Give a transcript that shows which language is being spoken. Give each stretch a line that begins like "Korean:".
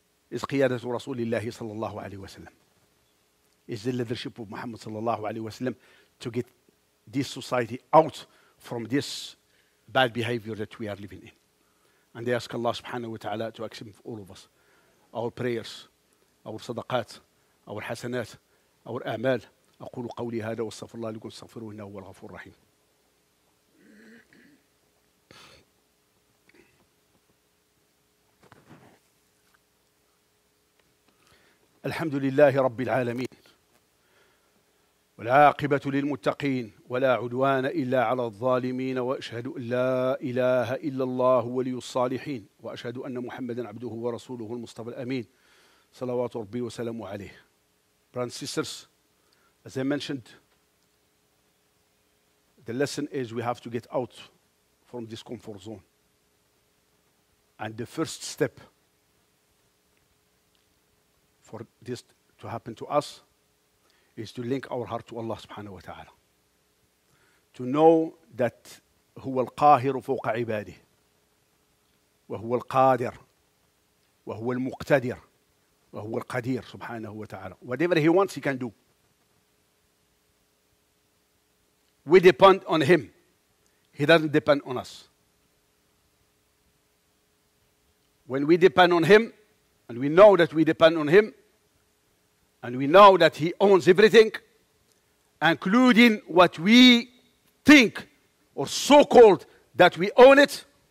Arabic: Is قيادة رسول الله صلى الله عليه وسلم.
English: Is the leadership of Muhammad
Arabic: صلى الله عليه وسلم
English: to get this society out from this bad behavior that we are living in. And they ask Allah subhanahu wa ta'ala to accept all of us. Our prayers, our sadaqat, our hasanat, our a'mal.
Arabic: أقول قولي هذا واستغفر الله لكم استغفروه إنه هو الغفور الرحيم. الحمد لله رب العالمين والعاقبة للمتقين ولا عدوان إلا على الظالمين وأشهد أن لا إله إلا الله ولي الصالحين وأشهد أن محمدا عبده ورسوله المصطفى الأمين صلوات ربي وسلامه عليه.
English: Brothers and sisters, as I mentioned, the lesson is we have to get out from this comfort zone. And the first step for this to happen to us is to link our heart to Allah subhanahu wa ta'ala. To know that
Arabic: هو القاهر فوق عباده وهو القادر وهو المقتدر وهو القدير سبحانه وتعالى.
English: Whatever he wants he can do. We depend on him. He doesn't depend on us. When we depend on him and we know that we depend on him and we know that he owns everything, including what we think or so-called that we own it,